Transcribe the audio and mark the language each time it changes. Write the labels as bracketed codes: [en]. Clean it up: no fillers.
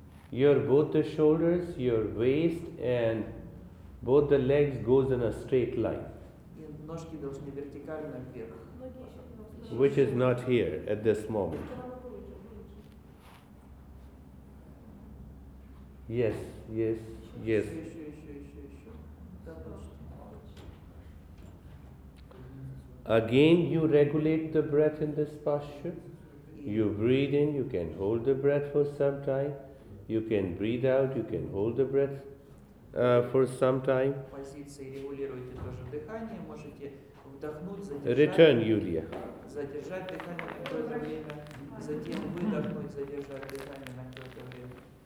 [en] Your both the shoulders, your waist, and both the legs goes in a straight line. [ru] Ножки должны вертикально вверх. [en] Which is not here at this moment. Yes, yes, yes. Again, you regulate the breath in this posture. You breathe in, you can hold the breath for some time. You can breathe out, you can hold the breath. For some time. [ru] Позиции регулируйте тоже дыхание, можете вдохнуть, задержать. [en] Return, Юлия. [ru] Задержать дыхание на какое-то время, затем выдохнуть, задержать дыхание на какое-то время.